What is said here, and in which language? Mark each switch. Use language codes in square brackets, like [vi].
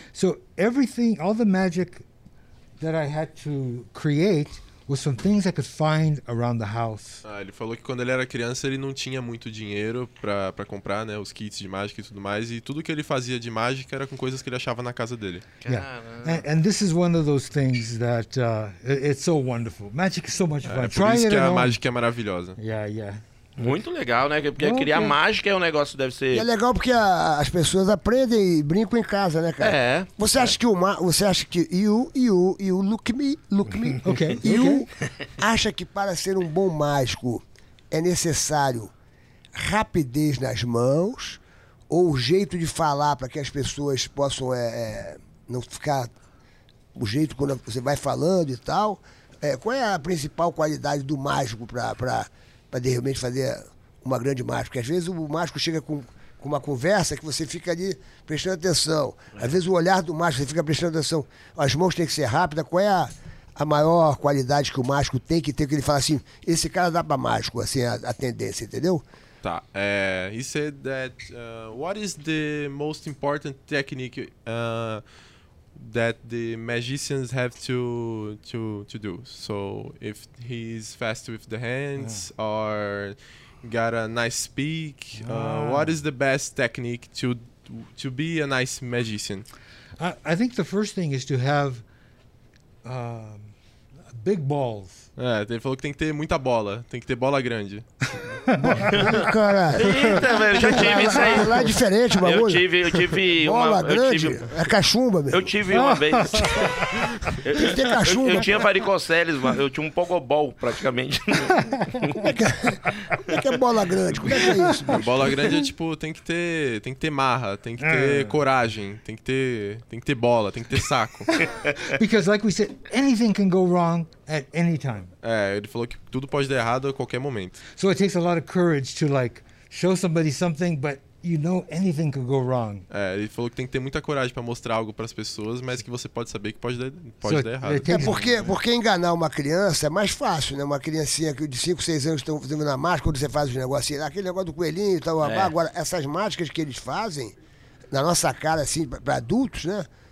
[en] So everything, all the magic that I had to create was from things I could find around the house. [pt] Ele falou que quando ele era criança, ele não tinha muito dinheiro para comprar, né, os kits de mágica e tudo mais. E tudo que ele fazia de mágica era com coisas que ele achava na casa dele. [en] Yeah. And this is one of those things that it's so wonderful. Magic is so much fun. Try it. [pt] Por isso que a mágica é maravilhosa. [en] Yeah, yeah. [pt] Muito legal, né? Porque criar mágica é um negócio que deve ser... E é legal porque as pessoas aprendem e brincam em casa, né, cara? Você acha que [en] look me. [pt] Okay. Acha que para ser um bom mágico é necessário rapidez nas mãos ou jeito de falar para que as pessoas possam não ficar... O jeito quando você vai falando e tal. Qual é a principal qualidade do mágico para realmente fazer uma grande mágica? Porque às vezes o mágico chega com uma conversa que você fica ali prestando atenção. Às vezes o olhar do mágico, você fica prestando atenção. As mãos têm que ser rápidas. Qual é a maior qualidade que o mágico tem que ter? Que ele fala assim, esse cara dá para mágico, assim, a tendência, entendeu? Tá. [en] He said that, what is the most important technique that the magicians have to do? So if he's fast with the hands or got a nice speak, what is the best technique to be a nice magician? I think the first thing is to have big balls. [pt] Ele falou que tem que ter muita bola. Tem que ter bola grande. Cara, eita, velho, já tive isso aí. Lá é diferente, bagulho. Eu tive bola grande? É cachumba, velho. Eu tive uma vez. Tem que ter cachumba. Eu tinha varicoceles, mano. Eu tinha um pogobol, praticamente. Como é que é bola grande? Como é que é isso, bicho? Bola grande é tipo, tem que ter marra, tem que ter coragem, tem que ter bola, tem que ter saco. [en] Because, like we said, anything can go wrong at any time. [pt] Ele falou que tudo pode dar errado a qualquer momento. [en] So it takes a lot of courage to like show somebody something, but you know anything could go wrong. [pt] Ele falou que tem que ter muita coragem para mostrar algo para as pessoas, mas que você pode saber que pode dar errado. Porque enganar uma criança é mais fácil, né? Uma criancinha que de 5, 6 anos estão fazendo na mágica, quando você faz os negócios, aquele negócio do coelhinho e tal, agora essas mágicas que eles fazem na nossa cara assim para adultos, né?